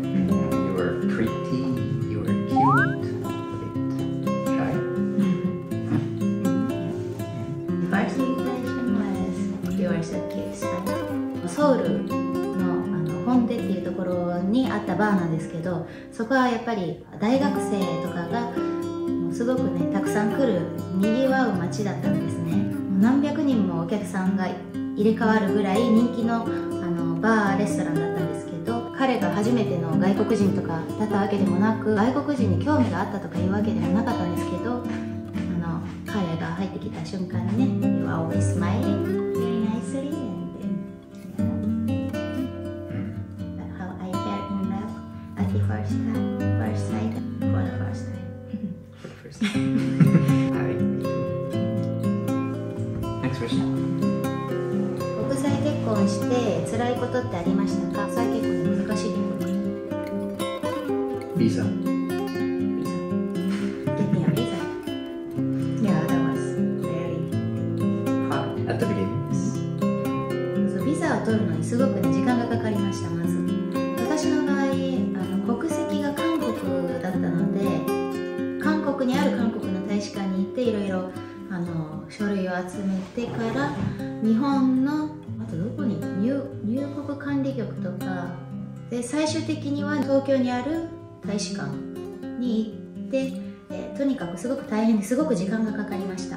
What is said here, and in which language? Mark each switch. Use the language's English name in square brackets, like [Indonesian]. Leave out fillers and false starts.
[English] You were pretty, you were cute, a bit shy. First impression was you were so cute, right? [Japanese] ソウルの本店っていうところにあったバーなんですけど、そこはやっぱり大学生とかがすごくね、たくさん来る、にぎわう街だったんですね。もう何百人もお客さんが入れ替わるぐらい人気のバーレストランだったんですけど、彼が初めての外国人とかだったわけでもなく、外国人に興味があったとかいうわけではなかったんですけど、彼が入ってきた瞬間にね、 You are always smiling very nicely and how I fell in love at the first sight for the first time. [English] For the first time. Hi. Next question. [Japanese] 結婚して辛いことってありましたか？それは結構難しいこと。ビザ。ビザ。 [English] Getting a visa. Yeah, that was very hard. At the beginning. [Japanese] そう、ビザを取るのにすごく、ね、時間がかかりました。まず、私の場合、国籍が韓国だったので、韓国にある韓国の大使館に行っていろいろ書類を集めてから日本の入国管理局とかで、最終的には東京にある大使館に行って、とにかくすごく大変で、すごく時間がかかりました。